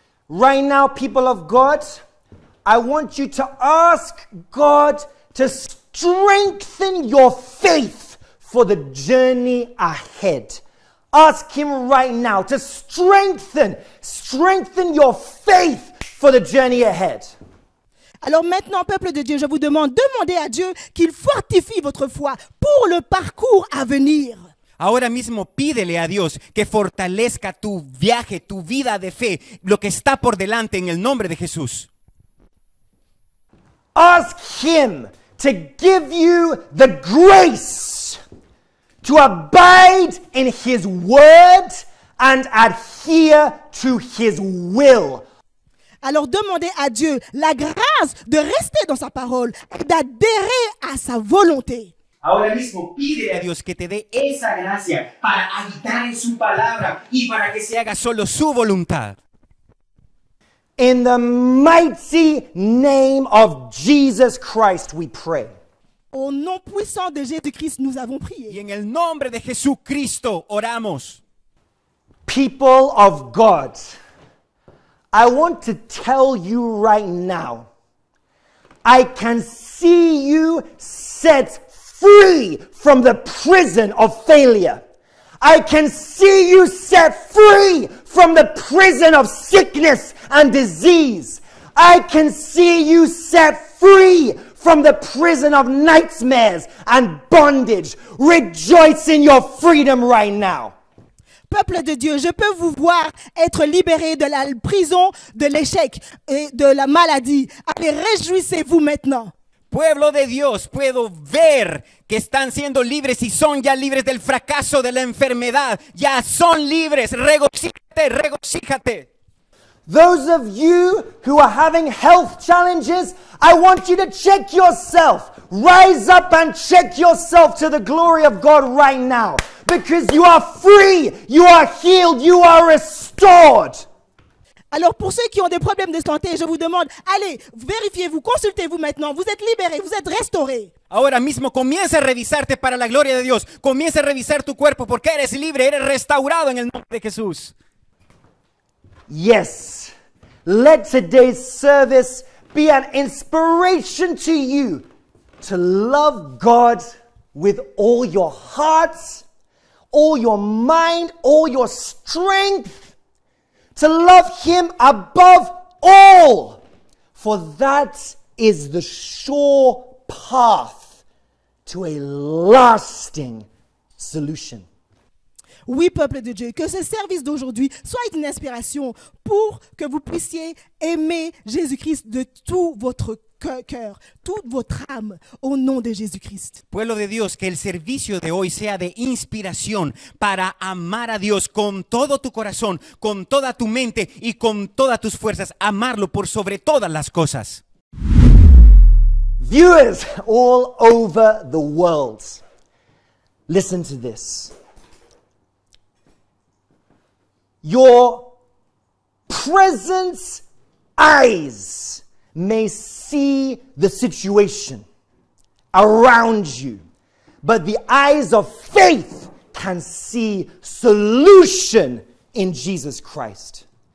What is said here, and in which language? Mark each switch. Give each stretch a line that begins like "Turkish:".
English: Right now, people of God, I want you to ask God to strengthen your faith for the journey ahead. Ask Him right now to strengthen your faith for the journey ahead.
French: Alors maintenant, peuple de Dieu, je vous demande, demandez à Dieu qu'il fortifie votre foi pour le parcours à venir.
Spanish: Ahora mismo, pídele a Dios que fortalezca tu viaje, tu vida de fe, lo que está por delante en el nombre de Jesús.
English: Ask Him to give you the grace to abide in His word and adhere to His will.
French: Alors demandez à Dieu la grâce de rester dans sa parole et d'adhérer à sa volonté.
Spanish: Ahora mismo pide a Dios que te dé esa gracia para habitar en su palabra y para que se haga solo su voluntad.
English: In the mighty name of Jesus Christ we pray.
French: Au nom puissant de Jésus-Christ, nous avons prié.
Spanish: Y en el nombre de Jesucristo, oramos.
English: People of God, I want to tell you right now, I can see you set free from the prison of failure. I can see you set free from the prison of sickness and disease. I can see you set free from the prison of nightmares and bondage. Rejoice in your freedom right now.
French: Peuple de Dieu, je peux vous voir être libéré de la prison de l'échec et de la maladie. Allez, réjouissez-vous maintenant.
Spanish: Pueblo de Dios, puedo ver que están siendo libres y son ya libres del fracaso de la enfermedad. Ya son libres. Regocíjate, regocíjate.
English: Those of you who are having health challenges, I want you to check yourself. Rise up and check yourself to the glory of God right now. Because you are free, you are healed, you are restored.
French: Alors pour ceux qui ont des problèmes de santé, je vous demande, allez, vérifiez-vous, consultez-vous maintenant. Vous êtes libérés, vous êtes restaurés.
Spanish: Ahora mismo comienza a revisarte para la gloria de Dios. Comienza a revisar tu cuerpo porque eres libre, eres restaurado en el nombre de Jesús.
English: Yes, let today's service be an inspiration to you to love God with all your heart, all your mind, all your strength, to love Him above all, for that is the sure path to a lasting solution.
French: Oui, peuple de Dieu, que ce service d'aujourd'hui soit une inspiration pour que vous puissiez aimer Jésus-Christ de tout votre cœur, toute votre âme, au nom de Jésus-Christ.
Spanish: Pueblo de Dios, que el servicio de hoy sea de inspiración para amar a Dios con todo tu corazón, con toda tu mente y con todas tus fuerzas, amarlo por sobre todas las cosas.
English: Viewers all over the world, listen to this. Your present eyes may see the situation around you, but the eyes of faith can see solution in Jesus Christ.